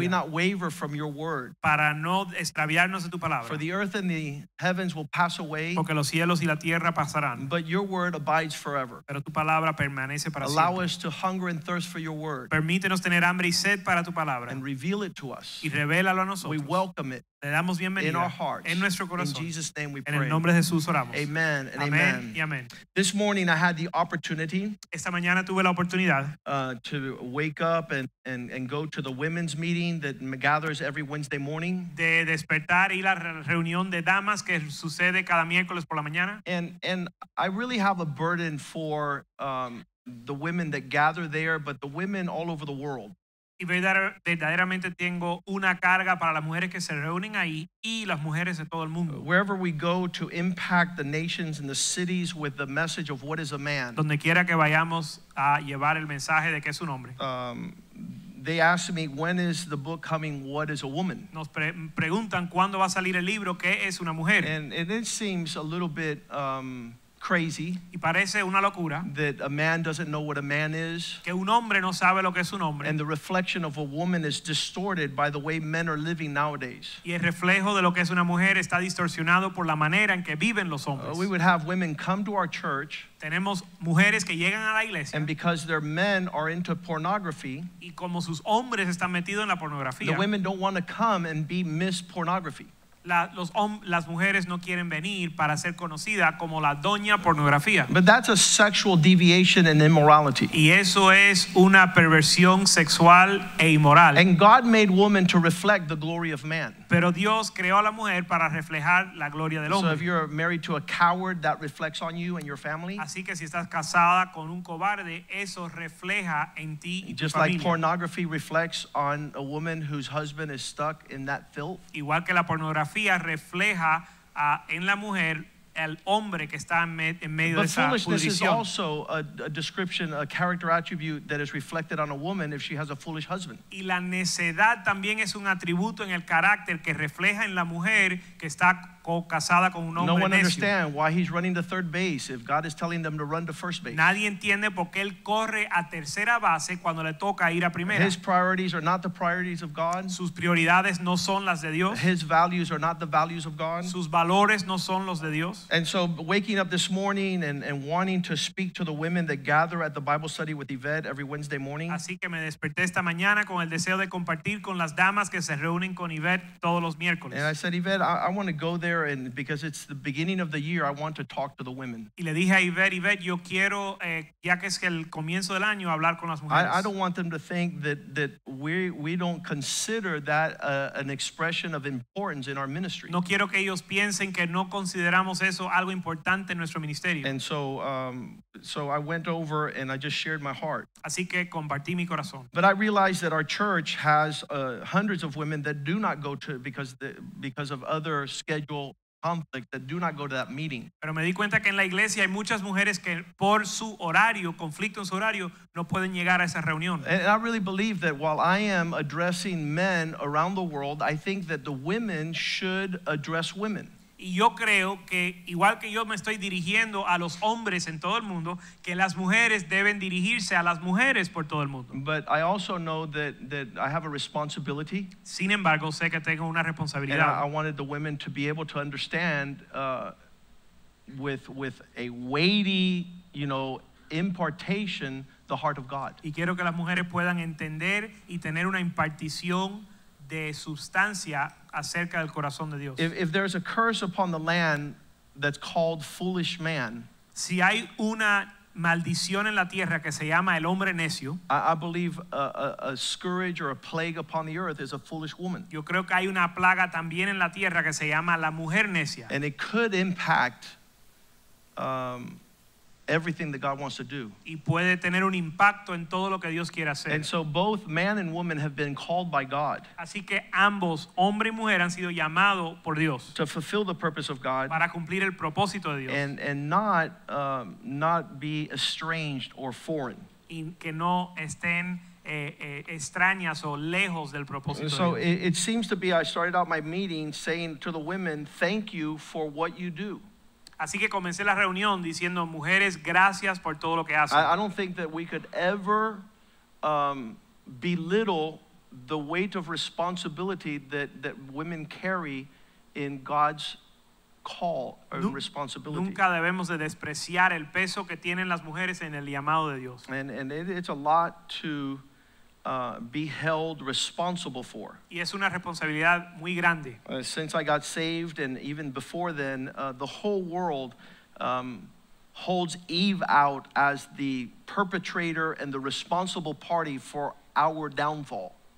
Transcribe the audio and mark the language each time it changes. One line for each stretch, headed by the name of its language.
English: That we not waver from your word.
Spanish: Para no extraviarnos de tu palabra.
English: For the earth and the heavens will pass away.
Spanish: Porque los cielos y la tierra pasarán.
English: But your word abides forever.
Spanish: Pero tu palabra permanece para
English: allow
Spanish: siempre.
English: Us to hunger and thirst for your word.
Spanish: Permítenos tener hambre y sed para tu palabra.
English: And reveal it to us.
Spanish: Y revélalo a nosotros.
English: We welcome it.
Spanish: Le damos bienvenida
English: in our hearts.
Spanish: En nuestro corazón.
English: In Jesus' name we pray.
Spanish: En el nombre de Jesús oramos.
English: Amen and
Spanish: amen. Y amen.
English: This morning I had the opportunity.
Spanish: Esta mañana tuve la oportunidad.
English: To wake up and go to the women's meeting that gathers every Wednesday morning.
Spanish: De despertar y la reunión de damas que sucede cada miércoles por la mañana.
English: And I really have a burden for the women that gather there, but the women all over the world.
Spanish: Y verdaderamente tengo una carga para las mujeres que se reúnen ahí y las mujeres de todo el mundo.
English: Wherever we go to impact the nations and the cities with the message of what is a man.
Spanish: Donde quiera que vayamos a llevar el mensaje de qué es un hombre.
English: They ask me, when is the book coming, What is a Woman?
Spanish: Nos preguntan, ¿cuándo va a salir el libro, qué es una mujer?
English: And it seems a little bit... crazy.
Spanish: Y parece una locura.
English: That a man doesn't know what a man is.
Spanish: Que un hombre no sabe lo que es un hombre.
English: And the reflection of a woman is distorted by the way men are living nowadays.
Spanish: Y el reflejo de lo que es una mujer está distorsionado por la manera en que viven los hombres.
English: We would have women come to our church.
Spanish: Tenemos mujeres que llegan a la iglesia.
English: And because their men are into pornography.
Spanish: Y como sus hombres están metidos en la pornografía.
English: The women don't want to come and be Miss Pornography.
Spanish: Las mujeres no quieren venir para ser conocida como la doña pornografía.
English: But that's a sexual deviation and immorality.
Spanish: Y eso es una perversión sexual e inmoral.
English: And God made woman to reflect the glory of man.
Spanish: Pero Dios creó a la mujer para reflejar la gloria del hombre.
English: So if you're married to a coward, that reflects on you and your family.
Spanish: Así que si estás casada con un cobarde, eso refleja en ti y tu familia.
English: Just like pornography reflects on a woman whose husband is stuck in that filth.
Spanish: Igual que la pornografía refleja en la mujer el hombre que está en medio
English: but
Spanish: de esa posición.
English: But foolishness is also a description, a character attribute that is reflected on a woman if she has a foolish husband.
Spanish: Y la necedad también es un atributo en el carácter que refleja en la mujer que está casada con un hombre necio.
English: No one understands why he's running to third base if God is telling them to run to first base.
Spanish: Nadie entiende por qué él corre a tercera base cuando le toca ir a primera.
English: His priorities are not the priorities of God.
Spanish: Sus prioridades no son las de Dios.
English: His values are not the values of God.
Spanish: Sus valores no son los de Dios.
English: And so waking up this morning and wanting to speak to the women that gather at the Bible study with Yvette every Wednesday morning.
Spanish: Así que me desperté esta mañana con el deseo de compartir con las damas que se reúnen con Yvette todos los miércoles.
English: And I said, Yvette, I want to go there. There and because it's the beginning of the year, I want to talk to the women.
Spanish: Y le dije a Yvette, yo quiero ya que es el comienzo del año hablar con las mujeres.
English: I don't want them to think that we don't consider that an expression of importance in our ministry.
Spanish: No quiero que ellos piensen que no consideramos eso algo importante en nuestro ministerio.
English: And so I went over and I just shared my heart.
Spanish: Así que compartí mi corazón.
English: But I realized that our church has hundreds of women that do not go to because of other schedules. Conflict that do not go to that meeting.
Spanish: Pero me di cuenta que en la iglesia hay muchas mujeres que por su horario, conflicto en su horario, no pueden llegar a esa reunión.
English: And I really believe that while I am addressing men around the world, I think that the women should address women.
Spanish: Y yo creo que igual que yo me estoy dirigiendo a los hombres en todo el mundo, que las mujeres deben dirigirse a las mujeres por todo el mundo.
English: But I also know that I have a responsibility.
Spanish: Sin embargo, sé que tengo una responsabilidad.
English: And I wanted the women to be able to understand with a weighty, you know, impartation the heart of God.
Spanish: Y quiero que las mujeres puedan entender y tener una impartición de sustancia acerca del corazón de Dios.
English: If there's a curse upon the land that's called foolish man,
Spanish: si hay una maldición en la tierra que se llama el hombre necio,
English: I believe a scourge or a plague upon the earth is a foolish woman.
Spanish: Yo creo que hay una plaga también en la tierra que se llama la mujer necia.
English: And it could impact everything that God wants to do.
Spanish: Y puede tener un impacto en todo lo que Dios quiere hacer.
English: And so both man and woman have been called by God.
Spanish: Así que ambos, hombre y mujer, han sido llamados por Dios.
English: To fulfill the purpose of God.
Spanish: Para cumplir el propósito de Dios.
English: And not not be estranged or foreign.
Spanish: Y que no estén extrañas o lejos del propósito de Dios.
English: So it seems to be, I started out my meeting saying to the women, thank you for what you do.
Spanish: Así que comencé la reunión diciendo, mujeres, gracias por todo lo que hacen.
English: I don't think that we could ever belittle the weight of responsibility that women carry in God's call or responsibility.
Spanish: Nunca debemos de despreciar el peso que tienen las mujeres en el llamado de Dios.
English: And it's a lot to be held responsible for.
Spanish: Y es una responsabilidad muy grande.
English: Since I got saved and even before then, the whole world holds Eve out as the perpetrator and the responsible party for our downfall.